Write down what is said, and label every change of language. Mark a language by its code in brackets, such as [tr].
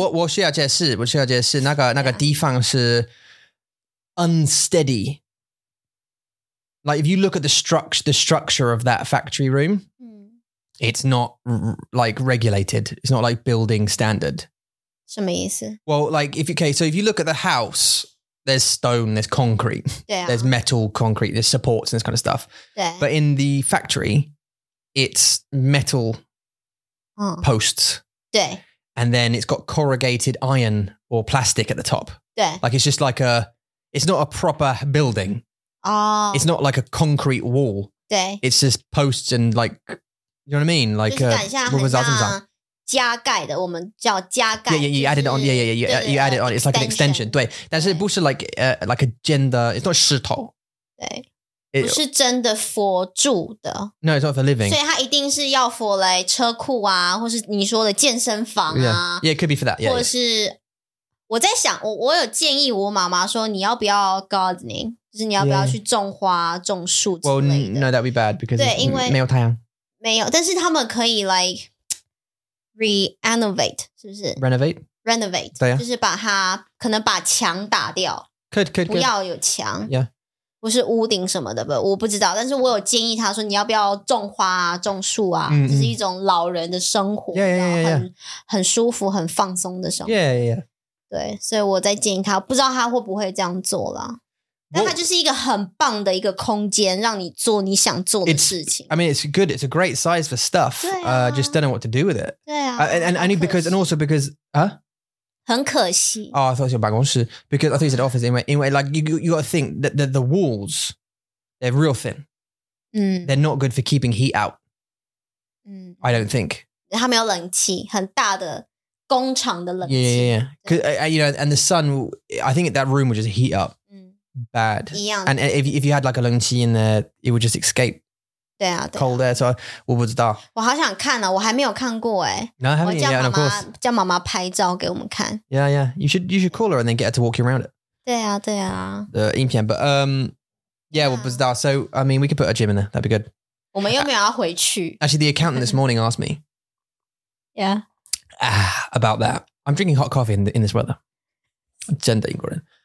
[zh] 我在那边开车大概四年五年吧。对对对，我没办法。但是我需要解释，那个地方是 [en] unsteady. Like if you look at the structure of that factory room, it's not like regulated. It's not like building standard. [zh] 什么意思? [en] Well, like if you look at the house, there's stone, there's concrete, there's metal concrete, there's supports and this kind of stuff. But in the factory, it's metal posts. And then it's got corrugated iron or plastic at the top. Like it's just like it's not a proper building. Oh. It's not like a concrete wall. It's just posts and like You know what I mean? Like, [zh] 就是感像很像加盖的，我们叫加盖。 [en] Yeah, yeah, you added on. You added on. It's like an extension. [zh] 对，但是不是 [en] like, like a 真的 It's not 石头。 [zh] 对，不是真的 for 住的。 [en] No, it's not for living. [zh] 所以它一定是要 for 来车库啊，或是你说的健身房啊。 [en] Yeah, yeah, it could be for that. Yeah, [zh] 或者是我在想，我有建议我妈妈说，你要不要 gardening？就是你要不要去种花、种树之类的 [en] ？Well, no, that'd be bad because [zh] 对，因为没有太阳。没有，但是他们可以 like。Renovate 是不是 [en] renovate [zh] 对呀、啊，就是把它可能把墙打掉 [en] could [zh] 不要有墙 [en] yeah [zh] 不是屋顶什么的吧我不知道但是我有建议他说你要不要种花啊种树啊、mm-hmm. 这是一种老人的生活很舒服很放松的生活 [en] yeah [zh] 对所以我在建议他不知道他会不会这样做啦但它就是一个很棒的一个空间，让你做你想做的事情。 [en] I mean, it's good. It's a great size for stuff. Just don't know what to do with it. [zh] 对啊。 [en] And also because [zh] 很可惜。 [en] Oh, I thought it was your 办公室 because I thought you said office. Anyway, like you got to think that the walls, they're real thin. 嗯。 They're not good for keeping heat out. 嗯。 I don't think. [zh] 它没有冷气，很大的。工厂的冷气。 [en] Yeah. Because, you know, and the sun, I think that room would just heat up. Bad. And if you had like a 冷气 in there, it would just escape [zh] 对啊对啊 [en] cold air. So, [zh] 我不知道。我好想看啊，我还没有看过欸。 [en] No, I haven't yet, of course. [zh] 叫妈妈拍照给我们看。 [en] Yeah, yeah. You should call her and then get her to walk you around it. [zh] 对啊对啊。 [en] The 影片 but yeah, [zh] 我不知道。 [en] So, I mean, we could put a gym in there. That'd be good. [zh] 我们又没有要回去。 [en] Actually, the accountant this morning asked me. Yeah. About that. I'm drinking hot coffee in this weather. [zh] 真的英国人。